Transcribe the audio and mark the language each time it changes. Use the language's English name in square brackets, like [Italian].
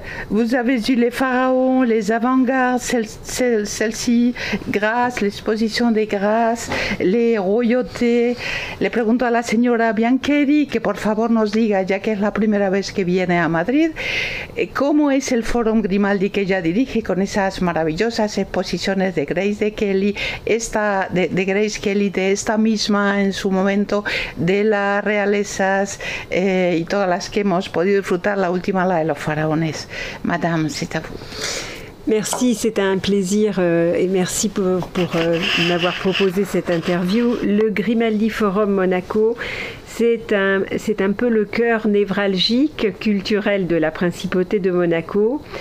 [French] Vous avez eu les pharaons, les avant-gardes, celle-ci, Grâce, l'exposition des Grâces, les royautés. [Spanish] Le pregunto a la señora Bianchieri, que por favor nos diga, ya que es la primera vez que viene a Madrid, ¿cómo es el Forum Grimaldi que ella dirige con esas maravillosas exposiciones de Grace de Kelly, esta de Grace Kelly, de esta misma en su momento, de las realezas y todas las que hemos podido disfrutar, la última, la de los faraones? [French] Madame, c'est à vous. Merci, c'est un plaisir et merci pour m'avoir proposé cette interview. Le Grimaldi Forum Monaco, c'est un peu le cœur névralgique culturel de la principauté de Monaco.